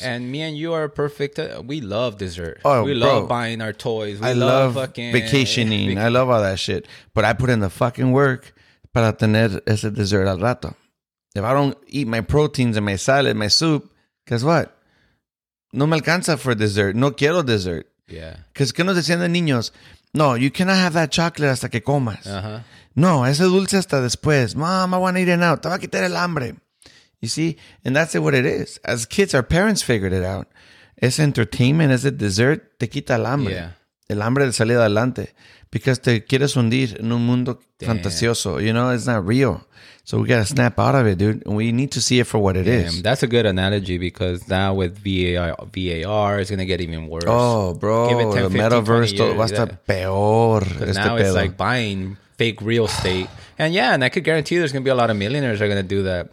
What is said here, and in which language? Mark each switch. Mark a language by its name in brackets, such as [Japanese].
[English] And me and you are perfect. We love dessert. Oh, we love buying our toys. I love vacationing. I love all that shit. But I put in the fucking work [Spanish] para tener ese dessert al rato. [English] If I don't eat my proteins and my salad, my soup, guess what? [Spanish] No me alcanza [English] for dessert. [Spanish] No quiero dessert. [English] Yeah. Because [Spanish] que nos decían de niños, no, [English] you cannot have that chocolate [Spanish] hasta que comas. [English] Uh-huh. [Spanish] No, ese dulce hasta después. [English] Mom, I want to eat it now. [Spanish] Te va a quitar el hambre. [English] You see? And that's what it is. As kids, our parents figured it out. [Spanish] Ese entertainment, ese dessert, te quita el hambre. [English] Yeah. [Spanish] El hambre de salir adelante. [English] Because [Spanish] te quieres hundir en un mundo fantasioso. [English] You know, it's not real. So we got to snap out of it, dude. We need to see it for what it is. That's a good analogy, because now with VAR, it's going to get even worse. Oh, bro. Give it 10, the 15, metaverse, years, [Spanish] va a estar peor. [English] Now it's like buying fake real estate. And yeah, and I could guarantee you there's going to be a lot of millionaires that are going to do that.